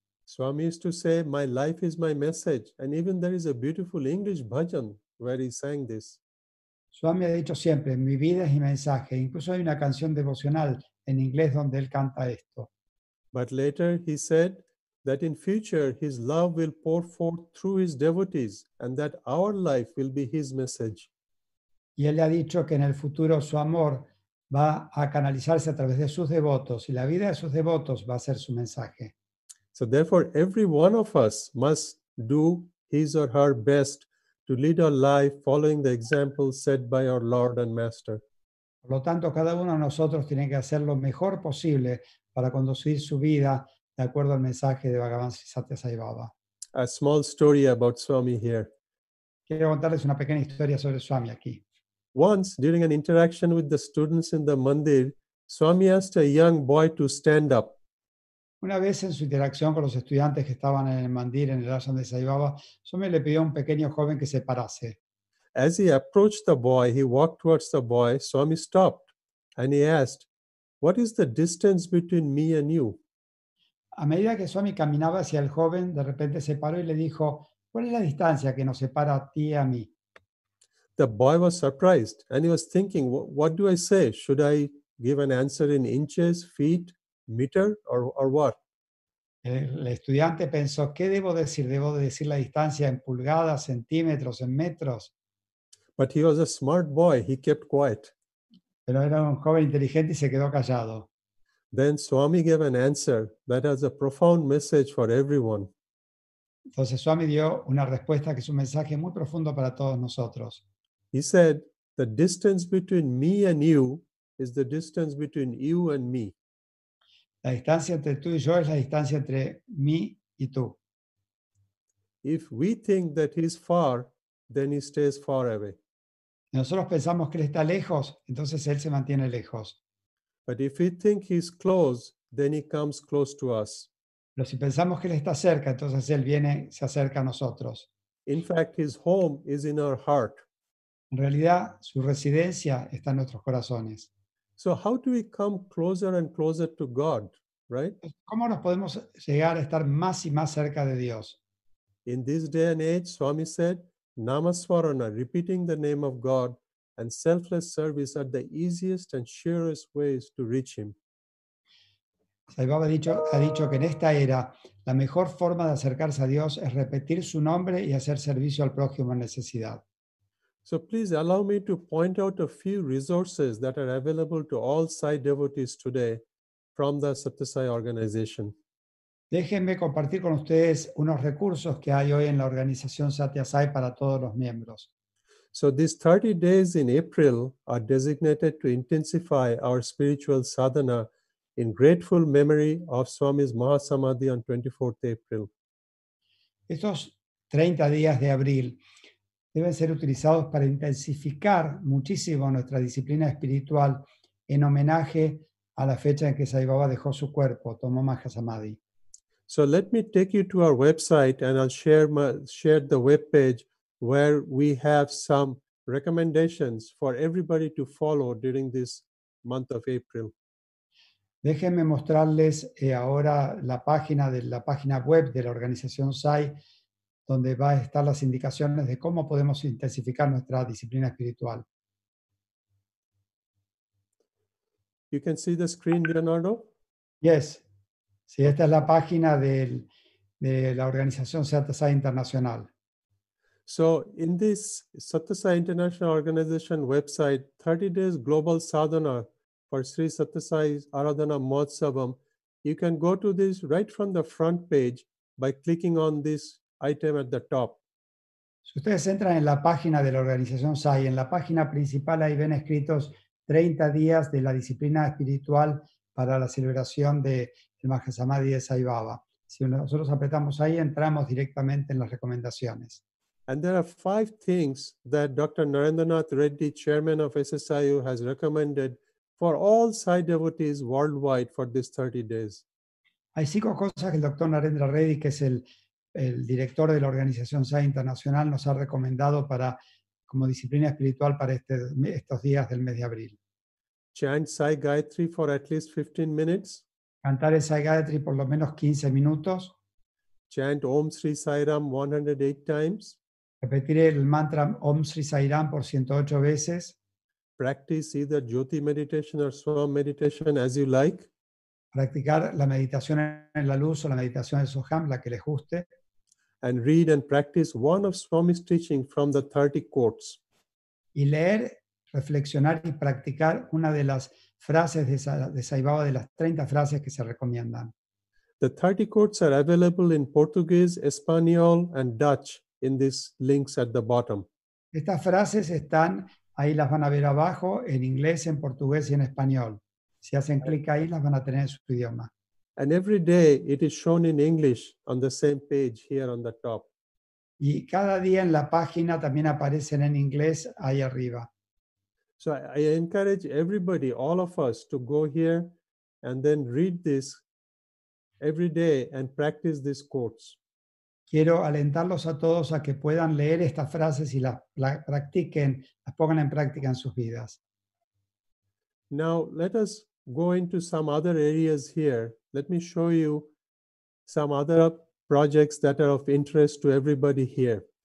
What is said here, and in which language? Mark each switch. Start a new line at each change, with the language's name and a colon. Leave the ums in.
English: Swami used to say, My life is my message. And even there is a beautiful English bhajan where he sang this.
Spanish: Swami ha dicho siempre, mi vida es mi mensaje. Incluso hay una canción devocional en inglés donde él canta esto.
English: But later he said that in future his love will pour forth through his devotees and that our life will be his message.
Spanish: Y él le ha dicho que en el futuro su amor va a canalizarse a través de sus devotos y la vida de sus devotos va a ser su mensaje.
English: So therefore, every one of us must do his or her best to lead our life following the example set by our Lord and Master.
Spanish: Por lo tanto, cada uno de nosotros tiene que hacer lo mejor posible para conducir su vida de acuerdo al mensaje de Bhagavan Sri Satyasai Baba.
English: A small story about Swami here.
Spanish: Quiero contarles una pequeña historia sobre Swami aquí.
English: Once, during an interaction with the students in the mandir, Swami asked a young boy to stand up.
Spanish: Una vez en su interacción con los estudiantes que estaban en el mandir, en el ashram de Sai Baba, Swami le pidió a un pequeño joven que se parase.
English: As he approached the boy, he walked towards the boy. Swami stopped and he asked, What is the distance between me and you?
Spanish: A medida que Swami caminaba hacia el joven, de repente se paró y le dijo, ¿cuál es la distancia que nos separa a ti y a mí?
English: The boy was surprised and he was thinking, "Wh- What do I say? Should I give an answer in inches, feet, meter, or, or what?
Spanish: El estudiante pensó, ¿qué debo decir? ¿Debo decir la distancia en pulgadas, centímetros, en metros?
English: But he was a smart boy. He kept quiet.
Spanish: Pero era un joven inteligente y se quedó callado.
English: Then Swami gave an answer that has a profound message for everyone.
Spanish: Entonces Swami dio una respuesta que es un mensaje muy profundo para todos nosotros.
English: He said, The distance between me and you is the distance between you and me.
Spanish: La distancia entre tú y yo es la distancia entre mí y tú.
English: If we think that he's far, then he stays far away.
Spanish: Nosotros pensamos que él está lejos, entonces él se mantiene lejos.
English: But if we think he's close, then he comes close to us.
Spanish: Pero si pensamos que él está cerca, entonces él viene, se acerca a nosotros.
English: In fact, his home is in our heart.
Spanish: En realidad, su residencia está en nuestros corazones.
English: So, how do we come closer and closer to God, right?
Spanish: ¿Cómo nos podemos llegar a estar más y más cerca de Dios?
English: In this day and age, Swami said, Namaswarana, repeating the name of God, and selfless service are the easiest and surest ways to reach Him.
Spanish: Sai Baba ha dicho, ha dicho que en esta era la mejor forma de acercarse a Dios es repetir su nombre y hacer servicio al prójimo en necesidad.
English: So, please allow me to point out a few resources that are available to all Sai devotees today from the Satyasai organization.
Spanish: Déjenme compartir con ustedes unos recursos que hay hoy en la organización Satyasai para todos los miembros.
English: So, these 30 days in April are designated to intensify our spiritual sadhana in grateful memory of Swami's Mahasamadhi on 24th April.
Spanish: Estos 30 días de abril, deben ser utilizados para intensificar muchísimo nuestra disciplina espiritual en homenaje a la fecha en que Sai Baba dejó su cuerpo, tomó Mahasamadhi.
English: So let me take you to our website and I'll share, my, share the webpage where we have some recommendations for everybody to follow during this month of April.
Spanish: Déjenme mostrarles eh, ahora la página de la página web de la organización SAI, donde va a estar las indicaciones de cómo podemos intensificar nuestra disciplina espiritual.
English: You can see the screen, Leonardo? Yes.
Spanish: Sí, esta es la página del- de la organización Santa SAI Internacional.
English: So in this Satasai International Organization website, 30 days global sadhana for Sri Satasai Aradhana Mahotsavam, you can go to this right from the front page by clicking on this item at the top.
Spanish: Si ustedes entran en la página de la organización SAI, en la página principal ahí ven escritos 30 días de la disciplina espiritual para la celebración de el Mahasamadhi de Sai Baba. Si nosotros apretamos ahí, entramos directamente en las recomendaciones.
English: And there are five things that Dr. Narendranath Reddy, chairman of SSIU, has recommended for all Sai devotees worldwide for these 30 days.
Spanish: Hay cinco cosas que el doctor Narendra Reddy, que es el, el director de la organización SAI Internacional, nos ha recomendado para, como disciplina espiritual para este- estos días del mes de abril.
English: Chant Sai Gayatri for at least 15 minutes.
Spanish: Cantar el Sai Gayatri por lo menos 15 minutos.
English: Chant Om Sri Sai Ram 108 times.
Spanish: Repetir el mantra Om Sri Sai Ram por 108 veces.
English: practice either jyoti meditation or swam meditation as you like
Spanish: Practicar la meditación en la luz o la meditación del Soham, la que les guste.
English: and read and practice one of swami's teaching from the 30 quotes
Spanish: Y leer, reflexionar y practicar una de las frases de, Sa- de Sai Baba, de las 30 frases que se recomiendan.
English: the 30 quotes are available in portuguese espanol and dutch in these links at the bottom
Spanish: Estas frases están, ahí las van a ver abajo, en inglés, en portugués y en español. Si hacen clic ahí, las van a tener en su idioma.
English: and every day it is shown in english on the same page here on the top
Spanish: Y cada día en la página también aparecen en inglés ahí arriba.
English: so i I encourage everybody all of us to go here and then read this every day and practice these quotes
Spanish: Quiero alentarlos a todos a que puedan leer estas frases y las pla- practiquen, las pongan en práctica en sus vidas.
English: Now, let us go into some other areas here. Let me show you some other projects that are of interest to everybody here.